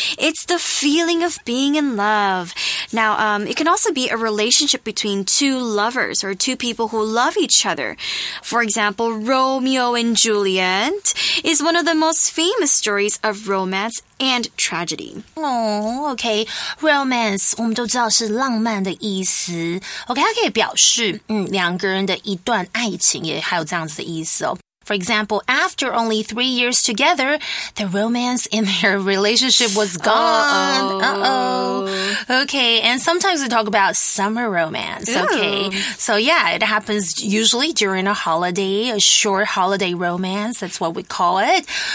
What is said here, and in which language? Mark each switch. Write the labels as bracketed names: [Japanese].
[English] It's the feeling of being in love. Now, it can also be a relationship between two lovers or two people who love each other. For example, Romeo and Juliet is one of the most famous stories of romance and tragedy. Oh, okay. [Chinese] Romance, 我们都知道是浪漫的意思。 Okay, 它可以表示两个人的一段爱情也还有这样子的意思哦。 [English] For example, after only 3 years together, the romance in their relationship was gone. Okay, and sometimes we talk about summer romance, okay? So yeah, it happens usually during a holiday, a short holiday romance, that's what we call it.